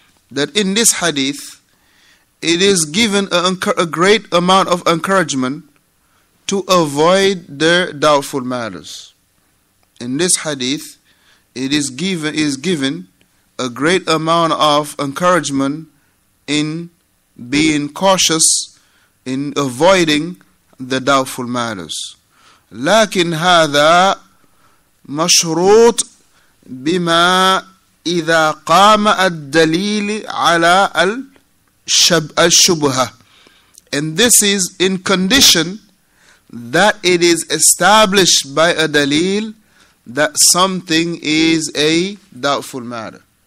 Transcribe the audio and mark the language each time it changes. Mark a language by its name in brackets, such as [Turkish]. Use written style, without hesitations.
[English] That in this hadith, it is given a great amount of encouragement to avoid the doubtful matters. In this hadith, it is given a great amount of encouragement in being cautious in avoiding the doubtful matters. [Arabic] لكن هذا مشروط بما إذا قام الدليل على الشبهة. [English] And this is in condition that it is established by a dalil that something is a doubtful matter.